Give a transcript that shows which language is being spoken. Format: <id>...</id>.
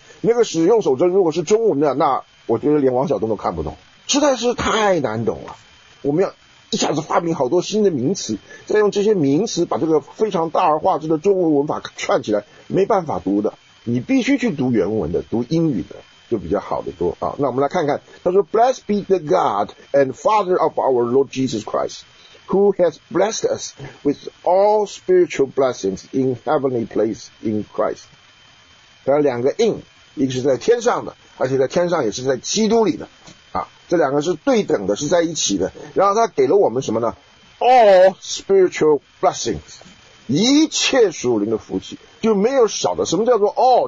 <zh>那个使用守则如果是中文的，那我觉得连王小东都看不懂，实在是太难懂了。我们要一下子发明好多新的名词，再用这些名词把这个非常大而化之的中文文法串起来，没办法读的，你必须去读原文的，读英语的就比较好的多啊。那我们来看看，他说</zh> <en>Blessed be the God and Father of our Lord Jesus Christ, who has blessed us with all spiritual blessings in heavenly place in Christ。</en> <zh>还有两个 in， 一个是在天上的，而且在天上也是在基督里的啊，这两个是对等的，是在一起的。然后他给了我们什么呢？</zh> <en>All spiritual blessings，</en> <zh>一切属灵的福气，就没有少的。什么叫做 all？</zh>